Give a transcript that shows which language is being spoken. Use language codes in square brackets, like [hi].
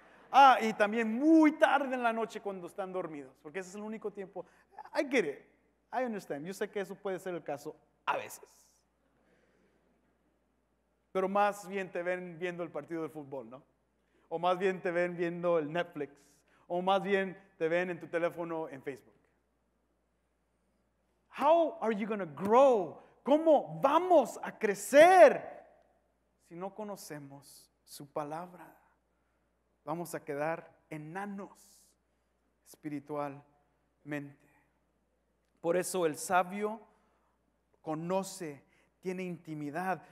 [es] Ah, y también muy tarde en la noche cuando están dormidos, porque ese es el único tiempo. [en] I get it. I understand. [es] Yo sé que eso puede ser el caso a veces. Pero más bien te ven viendo el partido de fútbol, ¿no? O más bien te ven viendo el Netflix. O más bien te ven en tu teléfono en Facebook. [en] How are you going to grow? [es] ¿Cómo vamos a crecer si no conocemos su palabra? Vamos a quedar enanos espiritualmente. Por eso el sabio conoce, tiene intimidad.